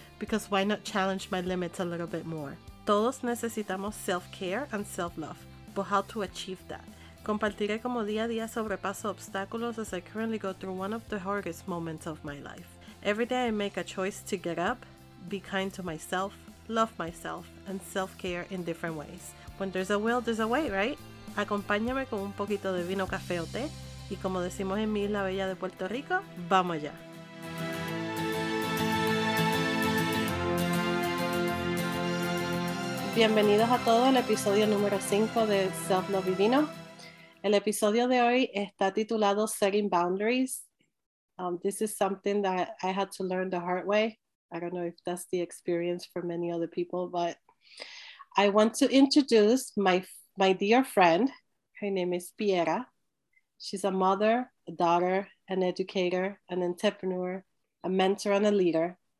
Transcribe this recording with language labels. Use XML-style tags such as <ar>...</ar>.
<en>Because why not challenge my limits a little bit more?</en> <es>Todos necesitamos</es> <en>self-care and self-love, but how to achieve that?</en> <es>Compartiré como día a día sobrepaso obstáculos</es> <en>as I currently go through one of the hardest moments of my life. Every day I make a choice to get up, be kind to myself, love myself, and self-care in different ways. When there's a will, there's a way, right?</en> <es>Acompáñame con un poquito de vino, café o té. Y como decimos en mi isla bella de Puerto Rico, ¡vamos allá! Bienvenidos a todos al episodio número 5 de Self Love y Vino. El episodio de hoy está titulado Setting Boundaries.</es> <en>This is something that I had to learn the hard way. I don't know if that's the experience for many other people, but I want to introduce my dear friend. Her name is Piera. She's a mother, a daughter, an educator, an entrepreneur, a mentor, and a leader.</en>